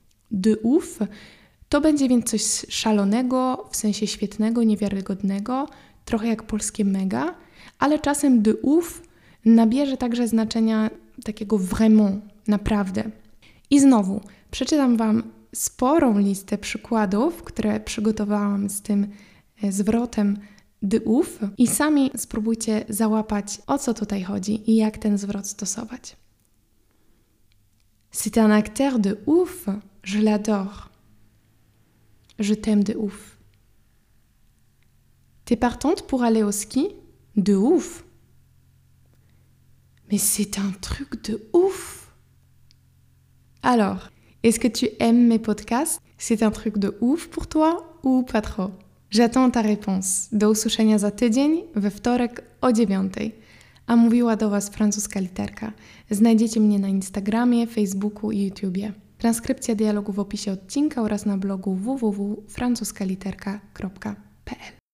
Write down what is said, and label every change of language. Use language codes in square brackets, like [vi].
[pl] De ouf to będzie więc coś szalonego, w sensie świetnego, niewiarygodnego, trochę jak polskie mega, ale czasem de ouf nabierze także znaczenia takiego vraiment, naprawdę. I znowu, przeczytam Wam sporą listę przykładów, które przygotowałam z tym zwrotem de ouf i sami spróbujcie załapać, o co tutaj chodzi i jak ten zwrot stosować. [fr] C'est un acteur de ouf, je l'adore. Je t'aime de ouf. T'es partante pour aller au ski? De ouf. Mais c'est un truc de ouf. Alors, est-ce que tu aimes mes podcasts? C'est un truc de ouf pour toi ou pas trop? J'attends ta réponse. [pl] Do usłyszenia za tydzień, we wtorek o 9:00. A mówiła do Was francuska literka. Znajdziecie mnie na Instagramie, Facebooku i YouTubie. Transkrypcja dialogu w opisie odcinka oraz na blogu www.francuskaliterka.pl.